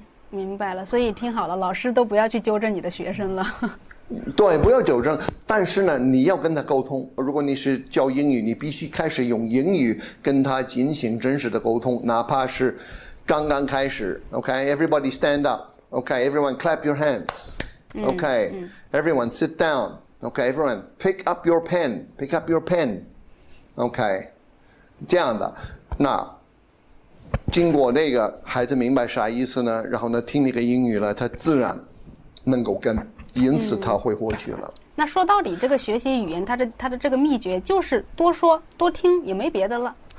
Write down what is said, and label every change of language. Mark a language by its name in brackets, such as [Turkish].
[Chinese] 明白了，所以听好了，老师都不要去纠正你的学生了。对，不要纠正，但是呢，你要跟他沟通。如果你是教英语，你必须开始用英语跟他进行真实的沟通，哪怕是刚刚开始。 [English] Okay, everybody stand up. Okay, everyone clap your hands. Okay, everyone sit down. Okay, everyone pick up your pen. Pick up your pen. Okay, [Chinese] 这样的。那经过那个孩子明白啥意思呢？然后呢，听那个英语了，他自然能够跟。因此他会获取了、那说到底这个学习语言它的这个秘诀就是多说多听，也没别的了。